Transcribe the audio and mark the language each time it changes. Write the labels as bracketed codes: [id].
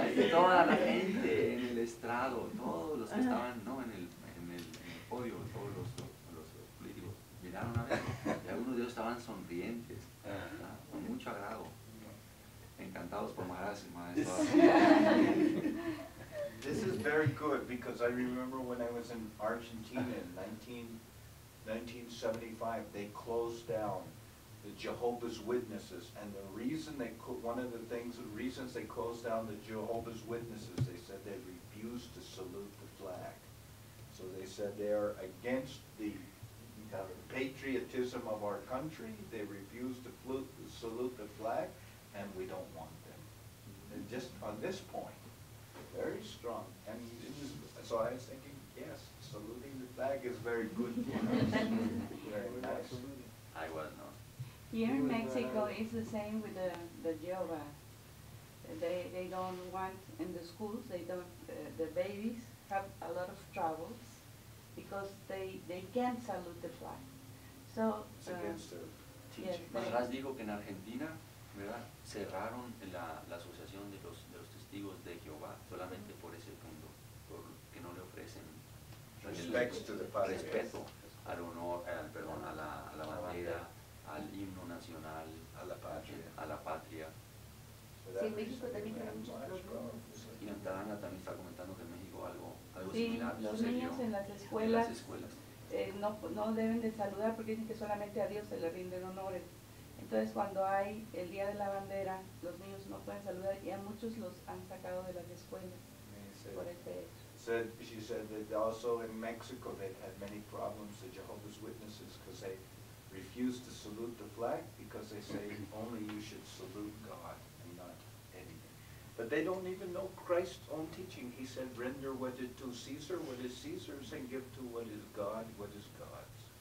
[es] Toda la gente en el estrado, todos los que estaban, ¿no?, en el podio, todos los políticos, miraron a ver, y algunos de ellos estaban sonrientes, ¿verdad?, con mucho agrado, encantados por Maharaj y Maharaj. [en] This is very good, because I remember when I was in Argentina in 1975, they closed down the Jehovah's Witnesses, and the reason they one of the reasons they closed down the Jehovah's Witnesses, they said they refused to salute the flag. So they said they are against the patriotism of our country. They refused to salute the flag, and we don't want them. And just on this point, very strong. And so I was thinking, yes, saluting the flag is very good for us. Very nice. I was not. Here in Mexico, it's the same with the Jehovah. They don't want, in the schools, they don't, the babies have a lot of troubles because they can't salute the flag. So, it's against their teaching. [es] Maharaj dijo que en Argentina, ¿verdad?, cerraron la asociación de los testigos de Jehová solamente por ese punto, porque no le ofrecen respeto al honor, a la bandera, al himno nacional, a la patria. Sí, en México también tiene muchos problemas. Y Antarana también está comentando que en México algo sí, similar. Sí, los niños en las escuelas, no deben de saludar porque dicen que solamente a Dios se le rinden honores. Entonces, cuando hay el Día de la Bandera, los niños no pueden saludar y a muchos los han sacado de las escuelas por este hecho. [en] She said that also in Mexico they had many problems, the Jehovah's Witnesses, because they refused to salute the flag because they say only you should salute God and not anything. But they don't even know Christ's own teaching. He said, render what is to Caesar what is Caesar's and give to what is God what is God's.